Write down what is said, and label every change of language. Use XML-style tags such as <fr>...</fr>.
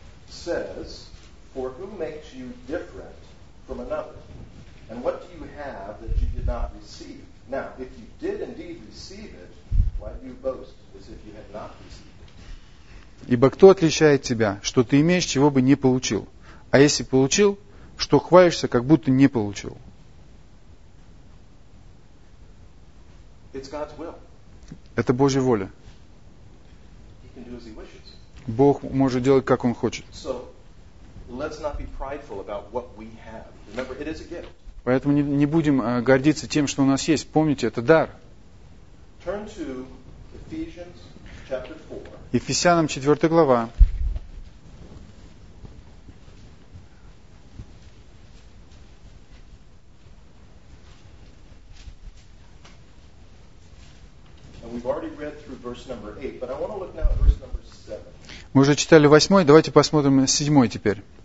<en>Says, for who makes you different from another? And what do you have that you did not receive? Now, if you did indeed receive it, why do you boast as if you had not received it?</en> <ru>Ибо кто отличает тебя, что ты имеешь, чего бы не получил? А если получил, что хвалишься, как будто не получил?</ru> <en>It's God's will.</en> <ru>Это Божья воля.</ru> <en>He can do as he wishes.</en> <ru>Бог может делать, как Он хочет.</ru> <en>So, let's not be prideful about what we have. Remember, it is a gift.</en> <ru>Поэтому не будем гордиться тем, что у нас есть. Помните, это дар.</ru> <en>Turn to Ephesians chapter 4.</en> <ru>Ефесянам 4 глава.</ru> <en>And we've already read through verse number 8, but I want to look now at verse number 7.</en> <ru>Мы уже читали восьмой, давайте посмотрим на седьмой теперь.</ru>